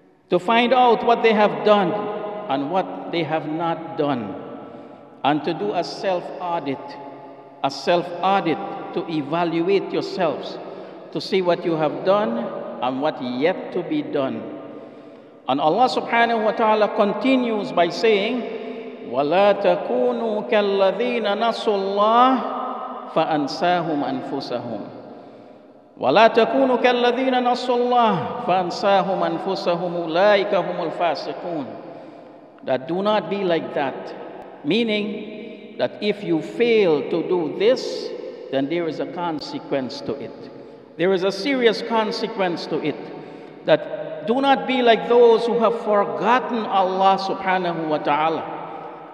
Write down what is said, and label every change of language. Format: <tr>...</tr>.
<en>To find out what they have done and what they have not done. And to do a self-audit to evaluate yourselves, to see what you have done and what yet to be done. And Allah subhanahu wa ta'ala continues by saying,</en> <ar>وَلَا تَكُونُوا كَالَّذِينَ نَسُوا اللَّهِ فَأَنْسَاهُمْ أَنْفُسَهُمْ وَلَا تَكُونُوا كَالَّذِينَ نَسُوا اللَّهِ فَأَنْسَاهُمْ أَنْفُسَهُمْ أُولَٰئِكَ هُمُ الْفَاسِقُونَ.</ar> <en>That do not be like that. Meaning that if you fail to do this, then there is a consequence to it. There is a serious consequence to it. That do not be like those who have forgotten Allah subhanahu wa ta'ala.</en>